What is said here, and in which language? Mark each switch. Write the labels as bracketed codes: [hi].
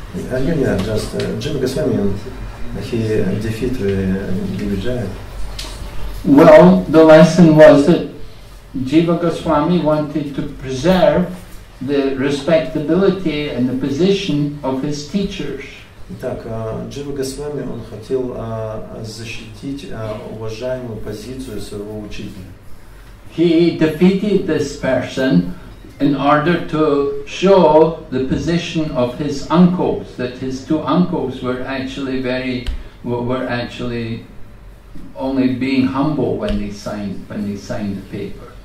[en] Jiva Goswami, he defeated Divijaya. Well, the lesson was that Jiva Goswami wanted to preserve the respectability and the position of his teachers. [ru] Итак, Джива Госвами, он хотел защитить уважаемую позицию своего учителя. [en] He defeated this person in order to show the position of his uncles, that his two uncles were actually only being humble when they signed the paper.